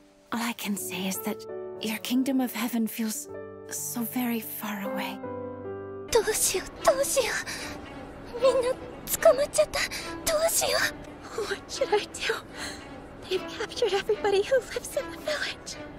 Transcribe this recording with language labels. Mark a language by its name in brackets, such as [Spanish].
[English] All I can say is that your kingdom of heaven feels so very far away. [Japanese] どうしよう、どうしよう。みんな捕まっちゃった、どうしよう。 [English] What should I do? They've captured everybody who lives in the village.